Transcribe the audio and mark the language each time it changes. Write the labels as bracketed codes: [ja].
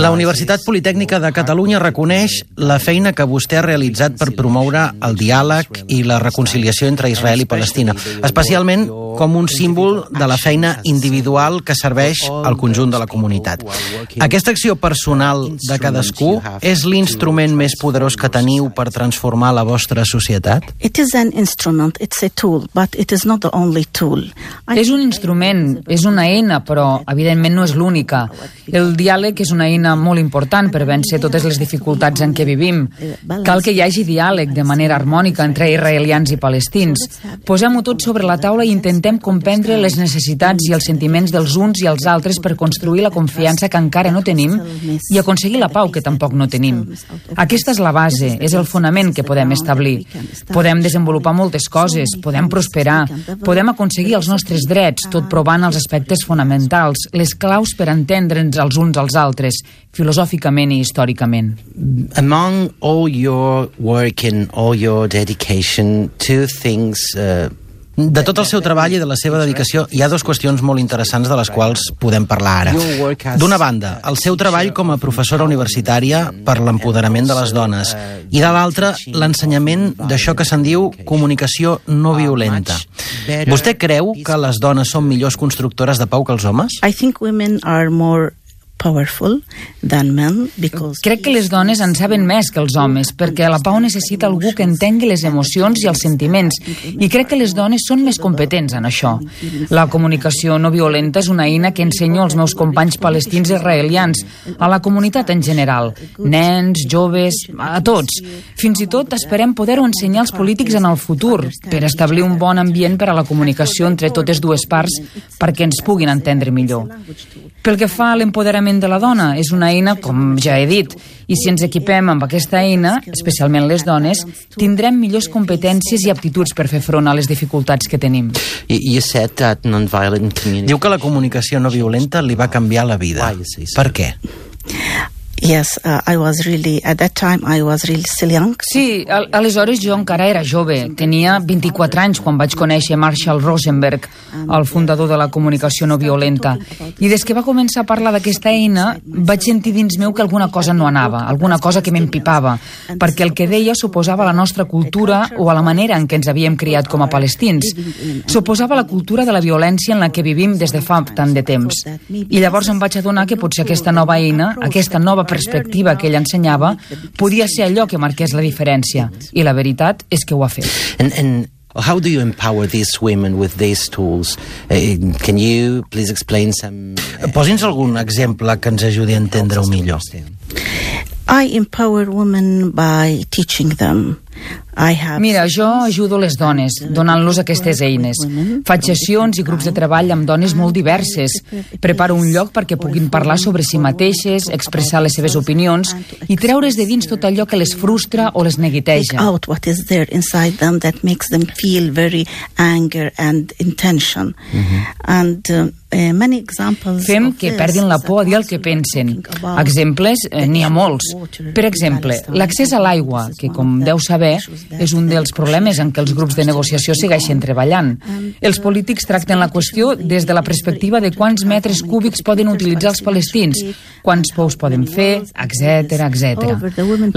[ca] La Universitat Politècnica de Catalunya reconeix la feina que vostè ha realitzat per promoure el diàleg i la reconciliació entre Israel i Palestina, especialment com un símbol de la feina individual que serveix al conjunt de la comunitat. Aquesta acció personal de cadascú és l'instrument més poderós que teniu per transformar la vostra societat? [en] It is an instrument, it's a tool, but it is not the only tool. [ca] És un instrument, és una eina, però evidentment no és l'única. El diàleg és una eina molt important per vèncer totes les dificultats en què vivim. Cal que hi hagi diàleg de manera harmònica entre israelians i palestins. Posem-ho tot sobre la taula i intentem comprendre les necessitats i els sentiments dels uns i els altres per construir la confiança que encara no tenim i aconseguir la pau que tampoc no tenim. Aquesta és la base, és el fonament que podem establir. Podem desenvolupar moltes coses, podem prosperar, podem aconseguir els nostres drets, tot provant els aspectes fonamentals, les claus per entendre'ns els uns als altres, filosòficament i històricament. [en] Among all your work and all your dedication, two things... [ca] De tot el seu treball i de la seva dedicació, hi ha dues qüestions molt interessants de les quals podem parlar ara. D'una banda, el seu treball com a professora universitària per l'empoderament de les dones, i de l'altra, l'ensenyament d'això que se'n diu comunicació no violenta. Vostè creu que les dones són millors constructores de pau que els homes? [en] I think women are more powerful than men because... [ca] Crec que les dones en saben més que els homes, perquè la pau necessita algú que entengui les emocions i els sentiments, i crec que les dones són més competents en això. La comunicació no violenta és una eina que ensenyo als meus companys palestins israelians, a la comunitat en general, nens, joves, a tots. Fins i tot esperem poder-ho ensenyar als polítics en el futur, per establir un bon ambient per a la comunicació entre totes dues parts perquè ens puguin entendre millor. Pel que fa a l'empoderament de la dona, és una eina, com ja he dit, i si ens equipem amb aquesta eina, especialment les dones, tindrem millors competències i aptituds per fer front a les dificultats que tenim. [en] You said that non-violent communication... [ca] Diu que la comunicació no violenta li va canviar la vida. Per què? [en] Yes, I was really, at that time I was really still young. [ca] Sí, aleshores jo encara era jove, tenia 24 anys quan vaig conèixer Marshall Rosenberg, el fundador de la comunicació no violenta, i des que va començar a parlar d'aquesta eina vaig sentir dins meu que alguna cosa no anava, alguna cosa que m'empipava, perquè el que deia s'oposava a la nostra cultura o a la manera en què ens havíem criat com a palestins, s'oposava a la cultura de la violència en la que vivim des de fa tant de temps, i llavors em vaig adonar que potser aquesta nova eina, aquesta nova perspectiva que ell ensenyava podia ser allò que marqués la diferència, i la veritat és que ho ha fet. [en] And how do you empower these women with these tools? Can you please explain some... [ca] Posi'ns algun exemple que ens ajudi a entendre-ho millor. [en] I empower women by teaching them. [ca] Mira, jo ajudo les dones, donant-los aquestes eines. Faig sessions i grups de treball amb dones molt diverses. Preparo un lloc perquè puguin parlar sobre si mateixes, expressar les seves opinions i treure's de dins tot allò que les frustra o les neguiteja. Fem que perdin la por a dir el que pensen. Exemples, n'hi ha molts. Per exemple, l'accés a l'aigua, que, com deu saber, és un dels problemes en què els grups de negociació segueixen treballant. Els polítics tracten la qüestió des de la perspectiva de quants metres cúbics poden utilitzar els palestins, quants pous poden fer, etc, etc.